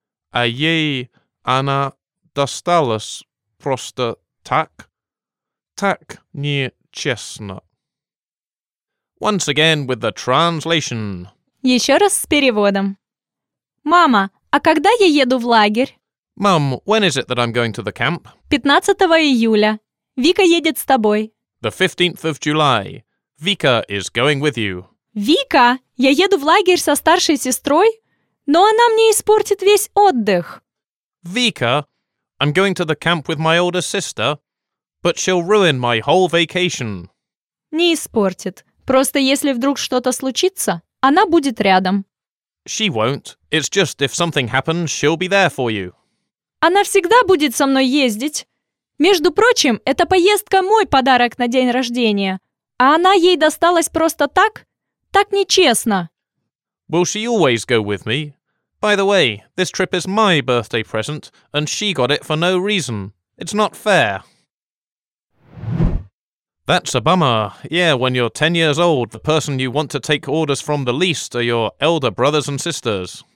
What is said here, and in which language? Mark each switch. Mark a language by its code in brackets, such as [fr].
[ru] А ей она досталась просто так? Так нечестно. [en] Once again with the translation. [ru] Еще раз с переводом. Мама, а когда я еду в лагерь? [en] Mom, when is it that I'm going to the camp? [ru] 15 июля. Вика едет с тобой. [en] The 15th of July. Вика is going with you. [ru] Вика, я еду в лагерь со старшей сестрой, но она мне испортит весь отдых. [en] Вика, I'm going to the camp with my older sister, but she'll ruin my whole vacation. [ru] Не испортит. Просто если вдруг что-то случится, она будет рядом. [en] She won't. It's just if something happens, she'll be there for you. [ru] Она всегда будет со мной ездить. Между прочим, эта поездка мой подарок на день рождения, а она ей досталась просто так? Так нечестно. [en] Will she always go with me? By the way, this trip is my birthday present, and she got it for no reason. It's not fair. That's a bummer. Yeah, when you're 10 years old, the person you want to take orders from the least are your elder brothers and sisters.